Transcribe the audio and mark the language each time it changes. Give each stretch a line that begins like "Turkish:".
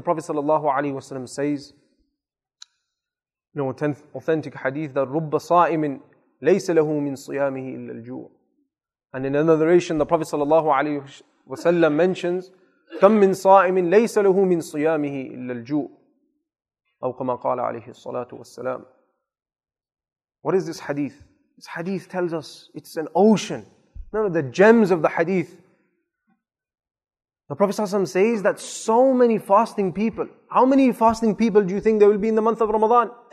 English: The Prophet sallallahu alayhi wasallam says, you know, authentic hadith, that
Arabic: رُبَّ صَائِمٍ لَيْسَ لَهُ مِنْ صِيَامِهِ إِلَّا الْجُوعِ.
English: And in another narration, the Prophet sallallahu alayhi wasallam mentions,
Arabic: كَمْ مِنْ صَائِمٍ لَيْسَ لَهُ مِنْ صِيَامِهِ إِلَّا الْجُوعِ. أو كما قال عليه الصلاة والسلام.
English: What is this hadith? This hadith tells us it's an ocean. None of the gems of the hadith. The Prophet ﷺ says that so many fasting people, how many fasting people do you think there will be in the month of Ramadan?